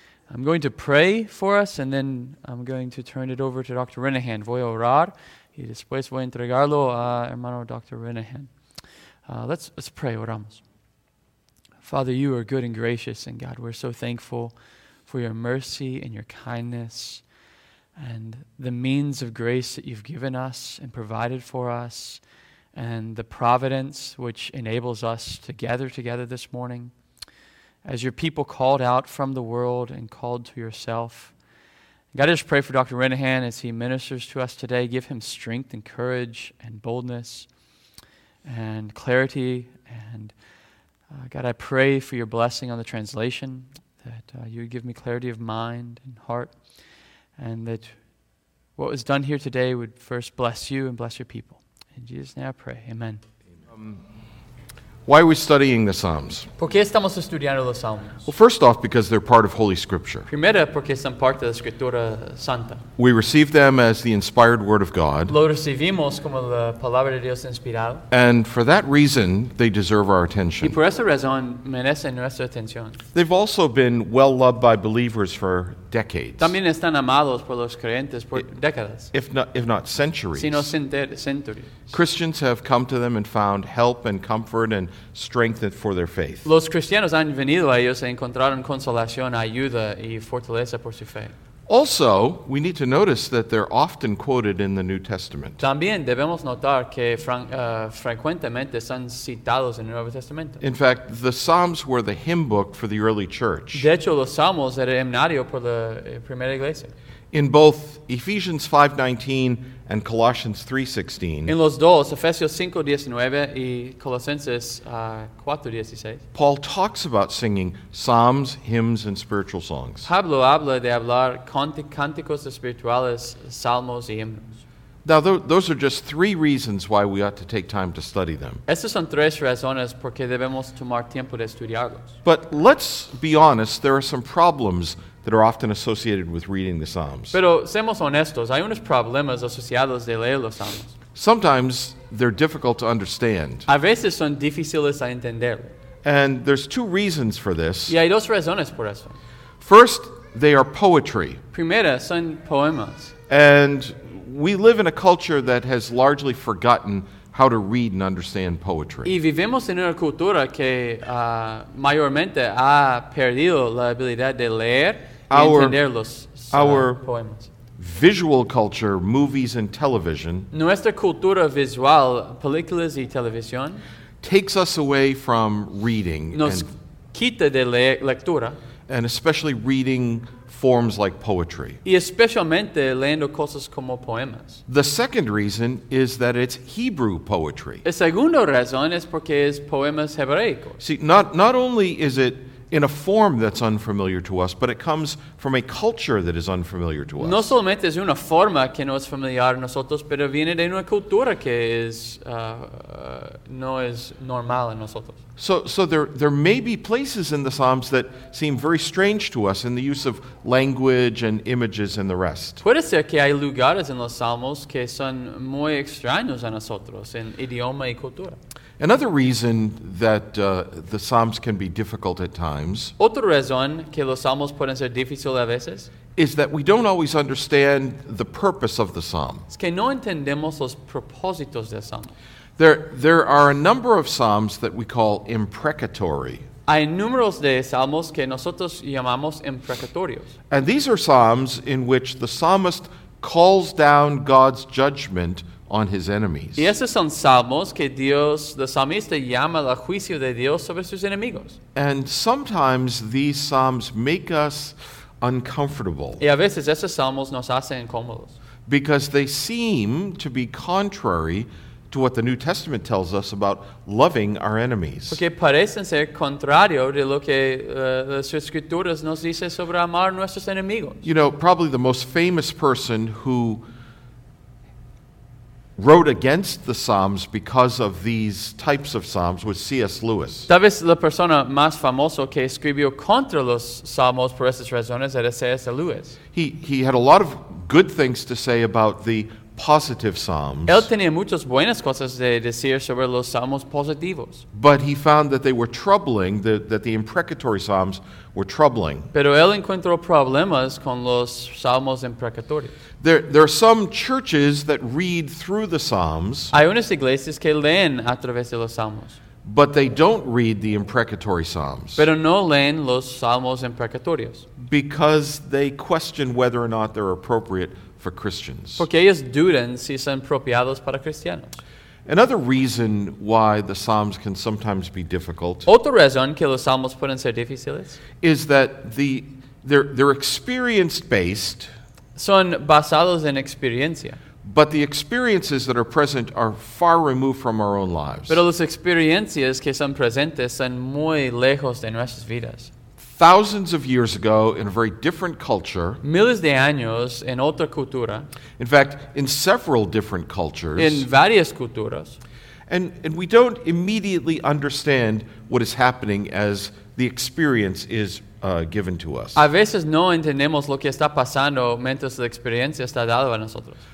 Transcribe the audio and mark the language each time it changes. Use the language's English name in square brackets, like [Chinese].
[English] I'm going to pray for us, and then I'm going to turn it over to Dr. Renahan. [Spanish] Voy a orar, y después voy a entregarlo a hermano Dr. [English] Renahan. Let's pray. [Spanish] Oramos. [English] Father, you are good and gracious, and God, we're so thankful for your mercy and your kindness and the means of grace that you've given us and provided for us, and the providence which enables us to gather together this morning as your people called out from the world and called to yourself. God, I just pray for Dr. Renahan as he ministers to us today. Give him strength and courage and boldness and clarity. And God, I pray for your blessing on the translation, that you would give me clarity of mind and heart, and that what was done here today would first bless you and bless your people. In Jesus' name I pray. Amen. Why are we studying the Psalms? [Spanish] ¿Por qué estamos estudiando los Salmos? [English] Well, first off, because they're part of Holy Scripture. [Spanish] Primero, porque son parte de la Escritura Santa. [English] We receive them as the inspired Word of God. [Spanish] Lo recibimos como la palabra de Dios inspirado. [English] And for that reason, they deserve our attention. [Spanish] Y por esa razón, merecen nuestra atención. [English] They've also been well loved by believers for decades. [Spanish] También están amados por los creyentes por décadas. [English] If not centuries. [Spanish] Sino [English] centuries. Christians have come to them and found help and comfort and strength for their faith. [Spanish] Los cristianos han venido a ellos y encontraron consolación, ayuda y fortaleza por su fe. [English] Also, we need to notice that they're often quoted in the New Testament. [Spanish] También debemos notar que frecuentemente son citados en el Nuevo Testamento. [English] In fact, the Psalms were the hymn book for the early church. [Spanish] De hecho, los Salmos eran el himnario por la primera iglesia. [English] In both Ephesians 5:19 and Colossians 3:16. [Spanish] En los dos, Efesios 5:19 y Colosenses 4:16. [English] Paul talks about singing psalms, hymns, and spiritual songs. [Spanish] Pablo habla de hablar cánticos espirituales, salmos y himnos. [English] Now, those are just three reasons why we ought to take time to study them. [Spanish] Estas son tres razones porque debemos tomar tiempo de estudiarlos. [English] But let's be honest, there are some problems that are often associated with reading the Psalms. [Spanish] Pero seamos honestos, hay unos problemas asociados de leer los Salmos. [English] Sometimes they're difficult to understand. [Spanish] A veces son difíciles a entender. [English] And there's two reasons for this. [Spanish] Y hay dos razones por eso. [English] First, they are poetry. [Spanish] Primera, son poemas. [English] And we live in a culture that has largely forgotten how to read and understand poetry. [Spanish] Y vivimos en una cultura que mayormente ha perdido la habilidad de leer y entender los poemas. [English] Visual culture, movies and television. [Spanish] Nuestra cultura visual, películas y televisión, [English] takes us away from reading. [Spanish] Nos quita de lectura. [English] And especially reading forms like poetry. [Spanish] Y especialmente leyendo cosas como poemas. [English] The second reason is that it's Hebrew poetry. [Spanish] La segunda razón es porque es poemas hebraicos. [English] See, not only is it in a form that's unfamiliar to us, but it comes from a culture that is unfamiliar to us. [Spanish] No solamente es una forma que no es familiar a nosotros, pero viene de una cultura que es no es normal a nosotros. [English] So there may be places in the Psalms that seem very strange to us in the use of language and images and the rest. [Spanish] Puede ser que hay lugares en los Salmos que son muy extraños a nosotros en idioma y cultura. [English] Another reason that the Psalms can be difficult at times. [Spanish] Otra razón que los Salmos pueden ser difíciles a veces. [English] Is that we don't always understand the purpose of the Psalm. [Spanish] Es que no entendemos los propósitos del Salmo. [English] There are a number of Psalms that we call imprecatory. [Spanish] Hay números de Salmos que nosotros llamamos imprecatorios. [English] And these are Psalms in which the psalmist calls down God's judgment on his enemies. [Spanish] Y esos son salmos que Dios, el salmista, llama al juicio de Dios sobre sus enemigos. [English] And sometimes these psalms make us uncomfortable. [Spanish] Y a veces esos salmos nos hacen incómodos. [English] Because they seem to be contrary to what the New Testament tells us about loving our enemies. [Spanish] Porque parecen ser contrario de lo que las escrituras nos dice sobre amar nuestros enemigos. [English] You know, probably the most famous person who wrote against the Psalms because of these types of Psalms was C.S. Lewis. [Spanish] Tal vez la persona más famosa que escribió contra los Salmos por esas razones era C.S. Lewis. [English] He had a lot of good things to say about the positive psalms. [Spanish] Él tenía muchas buenas cosas de decir sobre los salmos positivos. [English] But he found that they were troubling, that the imprecatory psalms were troubling. [Spanish] Pero él encontró problemas con los salmos imprecatorios. [English] There are some churches that read through the psalms. [Spanish] Hay unas iglesias que leen a través de los salmos. [English] But they don't read the imprecatory psalms. [Spanish] Pero no leen los salmos imprecatorios. [English] Because they question whether or not they're appropriate for Christians. [Spanish] Porque ellos dudan si son apropiados para cristianos. [English] Another reason why the psalms can sometimes be difficult. [Spanish] Otra razón que los salmos pueden ser difíciles. [English] Is that they're experience based. [Spanish] Son basados en experiencia. [English] But the experiences that are present are far removed from our own lives. [Spanish] Pero las experiencias que son presentes son muy lejos de nuestras vidas. [English] Thousands of years ago, in a very different culture. [Spanish] Miles de años en otra cultura. [English] In fact, in several different cultures. [Spanish] En varias culturas. [English] And we don't immediately understand what is happening as the experience is given to us. [Spanish] A veces no entendemos lo que está pasando mientras la experiencia está dada a nosotros.